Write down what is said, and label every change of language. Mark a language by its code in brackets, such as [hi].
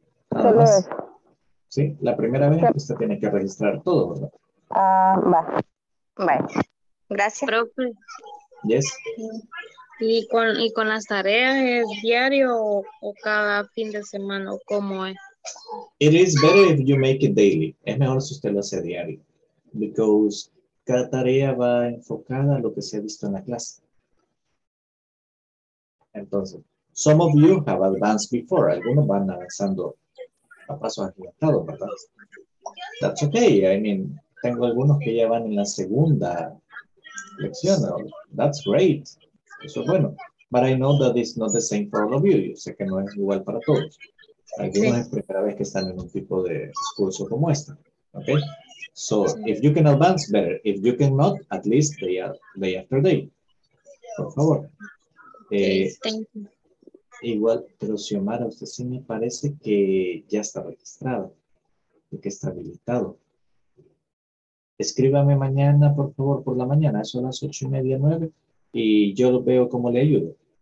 [es] Solo eso. Sí, la primera vez que usted tiene que registrar todo, ¿verdad? Ah, va. Va. Gracias. Profe. [en] Yes. [es] ¿Y con las tareas es diario o cada fin de semana o cómo es? [en] It is better if you make it daily. [es] Es mejor si usted lo hace diario. Because cada tarea va enfocada a lo que se ha visto en la clase. Entonces, [en] some of you have advanced before. [es] Algunos van avanzando a paso agigantado, ¿verdad? [en] That's okay. [es] I mean, tengo algunos que ya van en la segunda lección. ¿No? [en] That's great. [es] Eso es bueno. [en] But I know that it's not the same for all of you. [es] Yo sé que no es igual para todos. Algunos es primera vez que están en un tipo de curso como este. [en] Okay? So, if you can advance, better. If you cannot, at least day, day after day. [es] Por favor. Igual, pero Xiomara, usted sí me parece que ya está registrado y que está habilitado. Escríbame mañana, por favor, por la mañana. Son las 8:30, 9:00 y yo veo cómo le ayudo.